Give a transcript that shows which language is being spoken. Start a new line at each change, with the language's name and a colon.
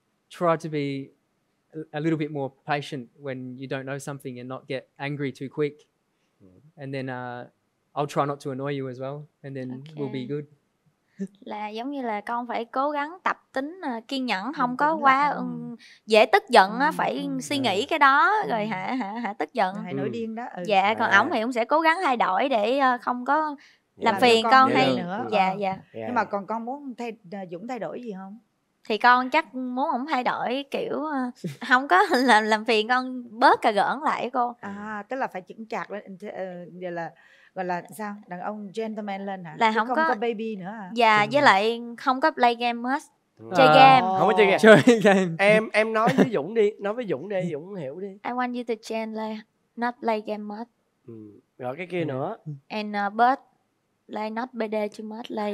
English: Try to be a little bit more patient when you don't know something and not get angry too quick. And then I'll try not to annoy you as well, and then we'll be good.
Vietnamese: Là giống như là con phải cố gắng tập tính kiên nhẫn, không có quá dễ tức giận, phải suy nghĩ cái đó rồi hả tức giận, hay nổi điên đó. Dạ, còn ổng thì ông sẽ cố gắng thay đổi để không có làm phiền con hay nữa. Dạ dạ. Nhưng mà còn con muốn Dũng thay đổi gì không? Thì con chắc muốn ổng thay đổi kiểu không có làm phiền con, bớt cà gỡn lại cô. Tức là phải chững chạc lên, là gọi là sao, đàn ông gentleman lên hả? Là không, không có baby nữa hả? Dạ, với lại không có
English: play game much.
Vietnamese: Chơi game. Không có chơi game. Chơi game. Em nói với Dũng đi, nói với Dũng đi, Dũng hiểu đi.
English: I want you to change, like, not play game much.
Vietnamese: Rồi cái kia nữa.
English: And but like not bd too much, like.